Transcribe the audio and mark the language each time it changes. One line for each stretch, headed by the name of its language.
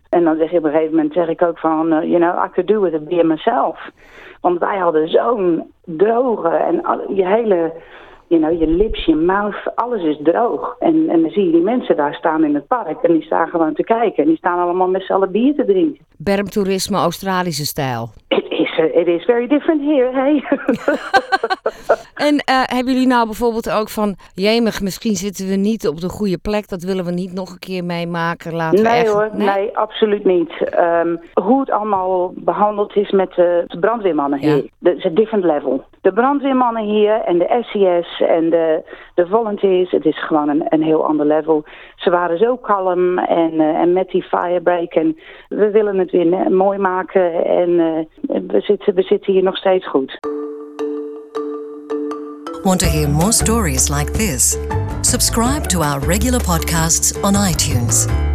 Dutch: En dan zeg ik op een gegeven moment
English: I could do with a beer myself.
Dutch: Want wij hadden zo'n droge en je hele, je lips, je mouth, alles is droog. En dan zie je die mensen daar staan in het park en die staan gewoon te kijken. En die staan allemaal met z'n allen bier te drinken. Bermtoerisme, Australische stijl.
English: It is very different here, hey.
Dutch: En hebben jullie nou bijvoorbeeld ook van... Jemig, misschien zitten we niet op de goede plek. Dat willen we niet nog een keer meemaken. Nee, absoluut niet. Hoe het allemaal behandeld is met de brandweermannen hier. Het is een
English: different level.
Dutch: De brandweermannen hier en de SES en de volunteers. Het is gewoon een heel ander level. Ze waren zo kalm en met die firebreak. En we willen het weer mooi maken en... We zitten hier nog steeds goed.
English: Want to hear more stories like this? Subscribe to our regular podcasts on iTunes.